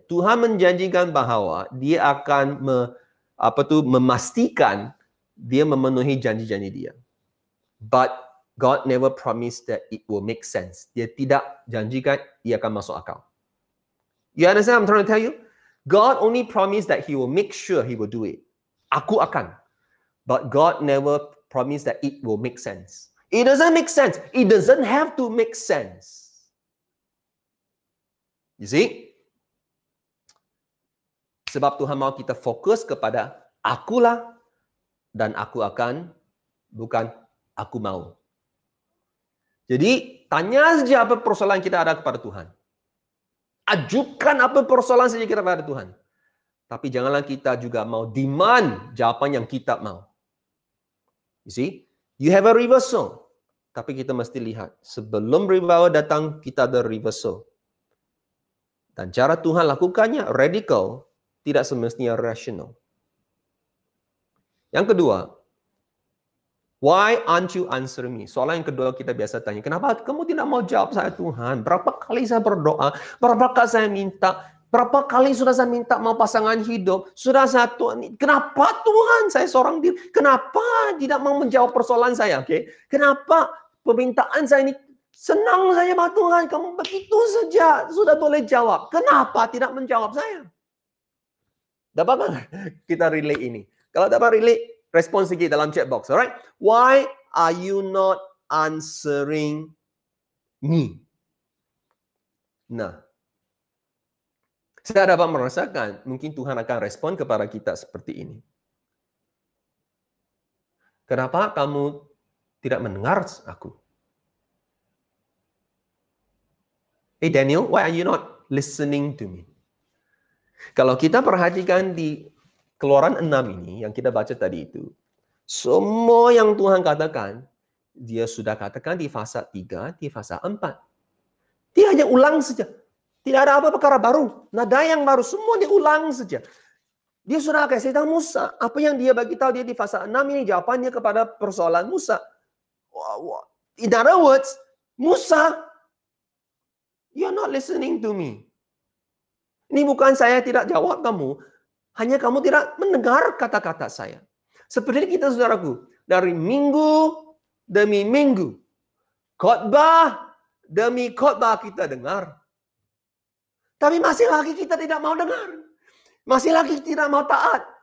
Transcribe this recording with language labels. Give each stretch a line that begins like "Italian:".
Malay: Tuhan menjanjikan bahawa Dia akan memastikan Dia memenuhi janji-janji Dia.
English: But God never promised that it will make sense.
Malay: Dia tidak janjikan Dia akan masuk akal.
English: You understand what I'm trying to tell you? God only promised that He will make sure He will do it.
Malay: Aku akan.
English: But God never promised that it will make sense. It doesn't make sense. It doesn't have to make sense. You see?
Malay: Sebab Tuhan mahu kita fokus kepada akulah dan aku akan, bukan aku mahu. Jadi, tanya saja apa persoalan kita ada kepada Tuhan. Ajukan apa persoalan saja kita kepada Tuhan. Tapi janganlah kita juga mau demand jawapan yang kita mau.
English: You see? You have a reversal.
Malay: Tapi kita mesti lihat. Sebelum revival datang, kita ada reversal. Dan cara Tuhan lakukannya radical, tidak semestinya rational. Yang kedua,
English: why aren't you answering me?
Malay: Soalan yang kedua kita biasa tanya, kenapa kamu tidak mau jawab saya Tuhan? Berapa kali saya berdoa? Berapa kali saya minta? Berapa kali sudah saya minta mau pasangan hidup? Sudah satu. Kenapa Tuhan saya seorang diri? Kenapa tidak mau menjawab persoalan saya? Okay? Kenapa permintaan saya ini senang saja sama Tuhan? Kamu begitu saja sudah boleh jawab. Kenapa tidak menjawab saya? Dapat kan kita relate ini? Kalau dapat relate, respon sikit dalam chat box, alright?
English: Why are you not answering me?
Malay: Nah, saya dapat merasakan mungkin Tuhan akan respon kepada kita seperti ini. Kenapa kamu tidak mendengar aku?
English: Hey Daniel, why are you not listening to me?
Malay: Kalau kita perhatikan di Keluaran 6 ini yang kita baca tadi itu, semua yang Tuhan katakan, Dia sudah katakan di fasa 3, di fasa 4. Dia hanya ulang saja. Tidak ada apa perkara baru. Nada yang baru, semua diulang saja. Dia sudah kasih tahu Musa. Apa yang Dia bagi tahu dia di fasa 6 ini, jawabannya kepada persoalan Musa.
English: In other words, Musa, you're not listening to me.
Malay: Ini bukan saya tidak jawab kamu, hanya kamu tidak mendengar kata-kata saya. Seperti kita, saudaraku, dari minggu demi minggu, khotbah demi khotbah kita dengar. Tapi masih lagi kita tidak mau dengar. Masih lagi kita tidak mau taat.